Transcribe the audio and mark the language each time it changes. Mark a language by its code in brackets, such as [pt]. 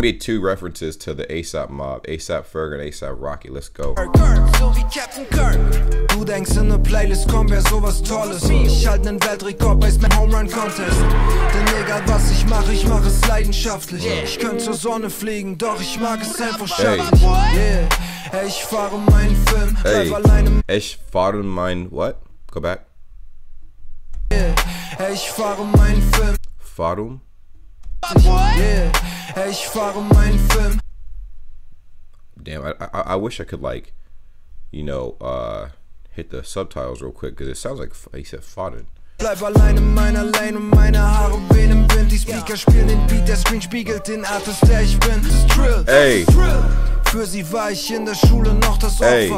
[en] made two references to the ASAP mob, ASAP Ferg and ASAP Rocky. Let's go. [de] Denkst in der Playlist kommt wer sowas tolles. Ich halte einen Weltrekord bei meinem Home Run Contest. Denn egal was ich mache es leidenschaftlich. Ich könnte zur Sonne fliegen, doch ich mag es einfach schattig. Hey, ich fahre meinen Film, bleib alleine. Ich fahre mein [en] what? Go back. [de] Hey, ich fahre meinen Film. Warum? Hey, ich fahre meinen Film. [en] Damn, I wish I could, like, you know, hit the subtitles real quick, because it sounds like he said Faden. [de] Bleib allein in meiner Lane und meine Haare wehen im Wind. Die Speaker spielen den Beat, der Screen spiegelt den Artist, der ich bin. Das ist Drill. Ey. Für sie war ich in der Schule noch das Opfer.